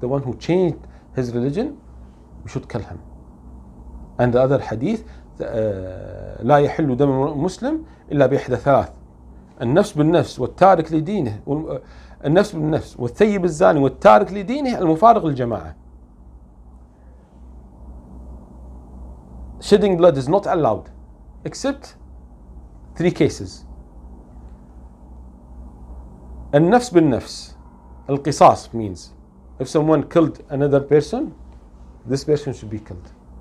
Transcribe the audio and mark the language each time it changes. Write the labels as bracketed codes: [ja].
[en] The one who changed his religion, we should kill him. And the other hadith, [ar] لا يحل دم المسلم إلا بإحدى ثلاث. النفس بالنفس والتارك لدينه, النفس بالنفس والثيب الزاني والتارك لدينه المفارق للجماعة. [en] Shedding blood is not allowed except three cases. [ar] النفس بالنفس, [en] القصاص means if someone killed another person, this person should be killed.